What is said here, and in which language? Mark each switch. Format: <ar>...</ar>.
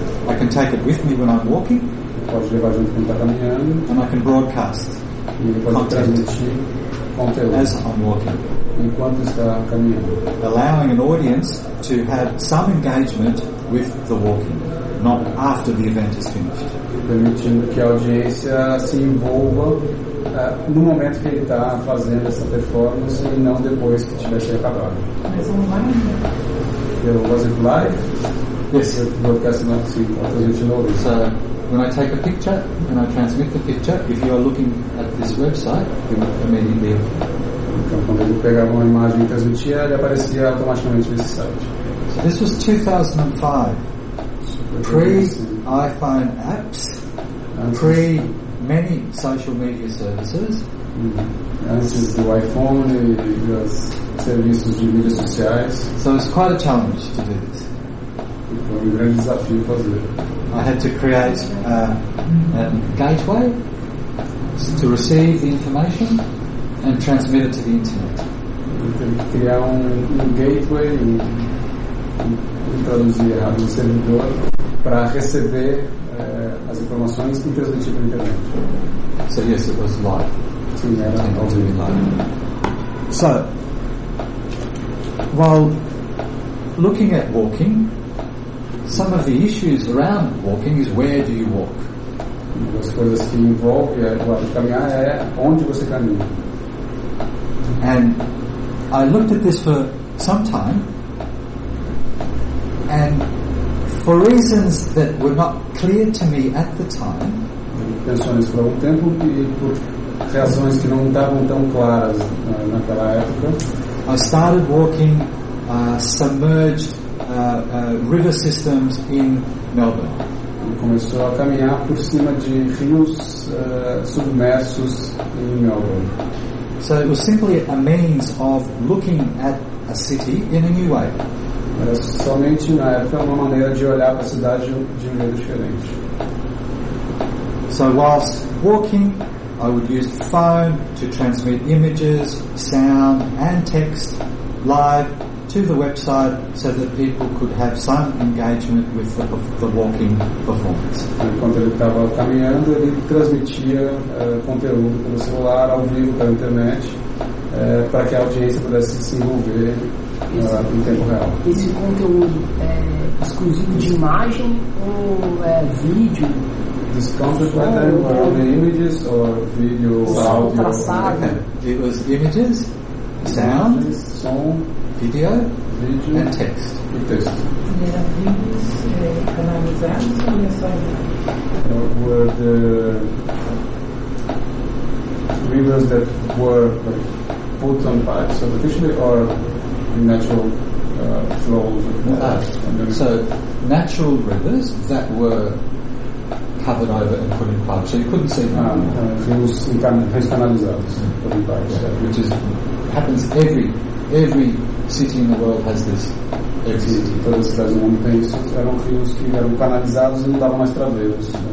<en>I can take it with me when I'm walking.</en> <pt>Pode levar junto quando está caminhando.</pt> <en>And I can broadcast.</en> <pt>E pode transmitir conteúdo.</pt> <en>As I'm walking.</en> <pt>Enquanto está caminhando.</pt> <en>Allowing an audience to have some engagement with the walking, not after the event is finished.</en> <pt>Permitindo que a audiência se envolva no momento que ele está fazendo essa performance e não depois que tiver sido acabado. Mas online?</pt> <en>Eu, was it live? Yes. Broadcast not,</en> <pt>sim. Pode transmitir no ouvido.</pt> <en>So, when I take a picture and I transmit the picture, if you are looking at this website, you will immediately.</en> <pt>Então, quando eu pegava uma imagem e transmitia, ele aparecia automaticamente nesse site.</pt> <en>So this was 2005. Pre-iPhone apps, pre-many social media services.</en> <pt>Antes do iPhone e dos serviços de mídias sociais.</pt> <en>So it's quite a challenge to do this.</en> <pt>Foi um grande desafio fazer.</pt> <en>I had to create a gateway to receive the information and transmit it to the internet.</en> <pt>Eu tive que criar um gateway e traduzir a um servidor para receber as informações e transmitir para a internet.</pt> <en>So yes, it was live.</en> <pt>Sim, era</pt> <en>live. So, while looking at walking, some of the issues around walking is where do you walk?</en> <pt>Uma das coisas que envolve o ato de caminhar é onde você caminha.</pt> <en>And I looked at this for some time, and for reasons that were not clear to me at the time,</en> <pt>pensou nisso por algum tempo e por reações que não estavam tão claras naquela época,</pt> <en>I started walking submerged river systems in Melbourne.</en> <pt>Começou a caminhar por cima de rios submersos em Melbourne.</pt> <en>So it was simply a means of looking at a city in a new way.</en> <pt>Era somente na época uma maneira de olhar para a cidade de um jeito diferente.</pt> <en>So whilst walking, I would use the phone to transmit images, sound, and text live to the website so that people could have some engagement with the walking performance.</en> <pt>Enquanto ele estava caminhando, ele transmitia conteúdo pelo celular, ao vivo, pela internet, para que a audiência pudesse se envolver em tempo real. Esse conteúdo é exclusivo de imagem ou é vídeo?</pt> <en>This content was either images or video, audio. It was images, sound,</en> <pt>som,</pt> <en>video, and text.</en> <pt>E texto.</pt> <en>Were the videos that were put on pipes artificially or in natural flows of water? So, natural rivers that were covered over and put in pipes, so you couldn't see them.</en> <pt>Rios canalizados,</pt> <en>put in pipes, which is happens every city in the world has this.</en> <pt>Todas as cidades do mundo têm isso. Eram rios que eram canalizados e não davam mais travessos.</pt>